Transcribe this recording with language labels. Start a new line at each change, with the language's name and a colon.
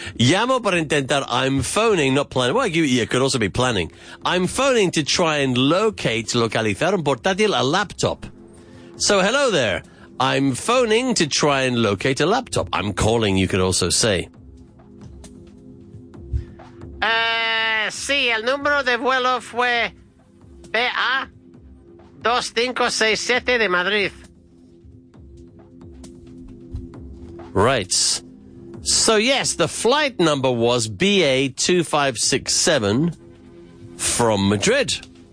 Spanish: Llamo para intentar.
English: I'm phoning, not planning. Well, you could also be planning. I'm phoning to try and locate,
Spanish: localizar un portátil,
English: a laptop. So, hello there. I'm phoning to try and locate a laptop. I'm calling, you could also say.
Spanish: Sí, el número de vuelo fue BA2567 de Madrid.
English: Right. So, yes, the flight number was BA2567 from Madrid.